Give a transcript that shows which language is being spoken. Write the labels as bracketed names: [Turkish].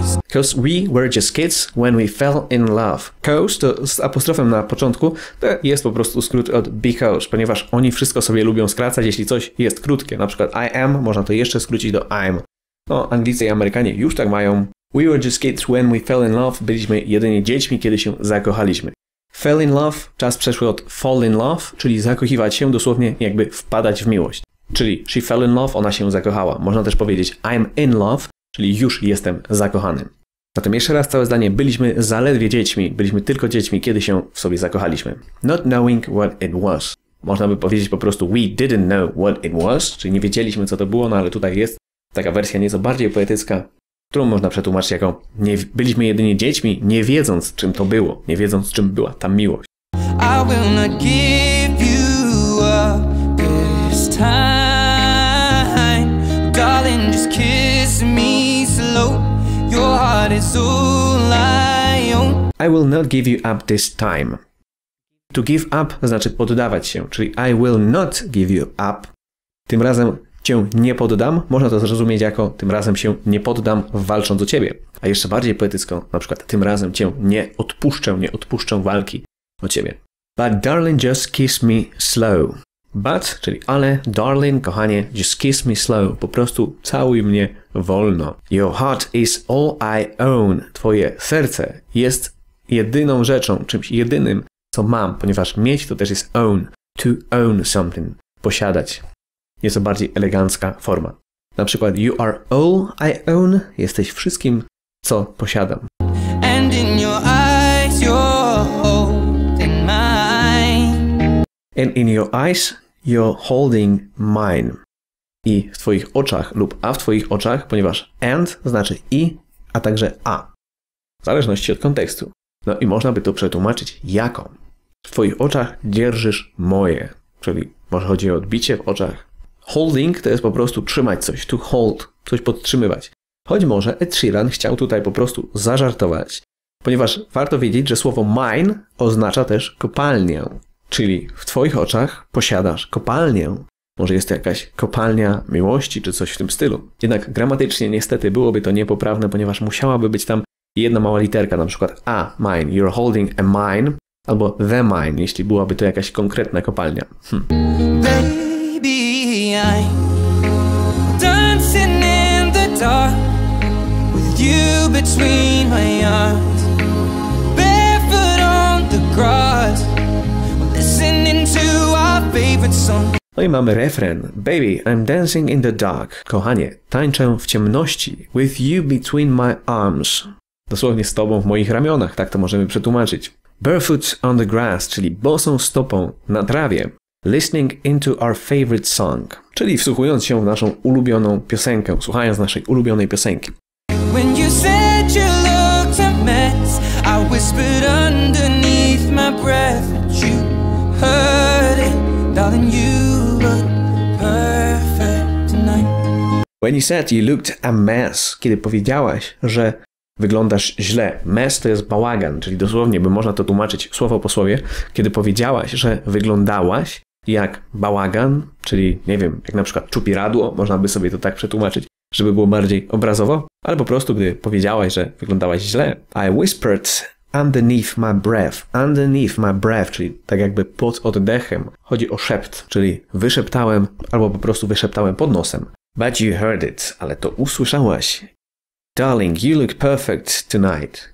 [English] Because we were just kids when we fell in love. [Polish] Cause to z apostrofem na początku, to jest po prostu skrót od because, ponieważ oni wszystko sobie lubią skracać, jeśli coś jest krótkie. Na przykład [English] I am, [Polish] można to jeszcze skrócić do [English] I'm. [Polish] No, Anglicy i Amerykanie już tak mają. [English] We were just kids when we fell in love. [Polish] Byliśmy jedynie dziećmi, kiedy się zakochaliśmy. [English] Fell in love, [Polish] czas przeszły od [English] fall in love, [Polish] czyli zakochiwać się, dosłownie jakby wpadać w miłość. Czyli [English] she fell in love, [Polish] ona się zakochała. Można też powiedzieć [English] I'm in love, [Polish] czyli już jestem zakochany. Zatem jeszcze raz całe zdanie, byliśmy zaledwie dziećmi, byliśmy tylko dziećmi, kiedy się w sobie zakochaliśmy. [English] Not knowing what it was. [Polish] Można by powiedzieć po prostu [English] we didn't know what it was, [Polish] czyli nie wiedzieliśmy, co to było, no ale tutaj jest taka wersja nieco bardziej poetycka, którą można przetłumaczyć jako nie, byliśmy jedynie dziećmi, nie wiedząc, czym to było, nie wiedząc, czym była ta miłość. [English] I will not give you up this time. Darling, just kiss me slow. Your heart is all I own. I will not give you up this time. To give up [Polish] znaczy poddawać się, czyli [English] I will not give you up. [Polish] Tym razem cię nie poddam, można to zrozumieć jako tym razem się nie poddam walcząc o ciebie. A jeszcze bardziej poetycko, na przykład tym razem cię nie odpuszczę walki o ciebie. [English] But darling, just kiss me slow. But, [Polish] czyli ale, [English] darling, [Polish] kochanie, [English] just kiss me slow. [Polish] Po prostu całuj mnie wolno. [English] Your heart is all I own. [Polish] Twoje serce jest jedyną rzeczą, czymś jedynym, co mam, ponieważ mieć to też jest own. [English] To own something. [Polish] Posiadać. Jest to bardziej elegancka forma. Na przykład [English] you are all I own, [Polish] jesteś wszystkim, co posiadam. [English] And in your eyes you're holding mine. And in your eyes you're holding mine. [Polish] I w twoich oczach lub a w twoich oczach, ponieważ and znaczy i, a także a. W zależności od kontekstu. No i można by to przetłumaczyć jako. W twoich oczach dzierżysz moje. Czyli może chodzi o odbicie w oczach. Holding to jest po prostu trzymać coś. [English] To hold, [Polish] coś podtrzymywać. Choć może Ed Sheeran chciał tutaj po prostu zażartować. Ponieważ warto wiedzieć, że słowo mine oznacza też kopalnię. Czyli w twoich oczach posiadasz kopalnię. Może jest to jakaś kopalnia miłości czy coś w tym stylu. Jednak gramatycznie niestety byłoby to niepoprawne, ponieważ musiałaby być tam jedna mała literka, na przykład [English] a mine, you're holding a mine, [Polish] albo [English] the mine, [Polish] jeśli byłaby to jakaś konkretna kopalnia. [English] Baby, I'm dancing in the dark with you between my arms, barefoot on the grass, listening to our favorite song. [Polish] No i mamy refren. [English] Baby, I'm dancing in the dark. [Polish] Kochanie, tańczę w ciemności. [English] With you between my arms. [Polish] Dosłownie z tobą w moich ramionach, tak to możemy przetłumaczyć. [English] Barefoot on the grass, [Polish] czyli bosą stopą na trawie. [English] Listening into our favorite song. [Polish] Czyli wsłuchując się w naszą ulubioną piosenkę, słuchając naszej ulubionej piosenki. [English] When you said you looked a mess, I whispered underneath my breath that you heard it. Darling, you look perfect tonight. When you said you looked a mess, [Polish] kiedy powiedziałaś, że wyglądasz źle. Mess to jest bałagan, czyli dosłownie by można to tłumaczyć słowo po słowie. Kiedy powiedziałaś, że wyglądałaś jak bałagan, czyli nie wiem, jak na przykład czupiradło, można by sobie to tak przetłumaczyć, żeby było bardziej obrazowo. Ale po prostu, gdy powiedziałaś, że wyglądałaś źle. [English] I whispered underneath my breath. Underneath my breath, [Polish] czyli tak jakby pod oddechem. Chodzi o szept, czyli wyszeptałem, albo po prostu wyszeptałem pod nosem. [English] But you heard it, [Polish] ale to usłyszałaś. [English] Darling, you look perfect tonight.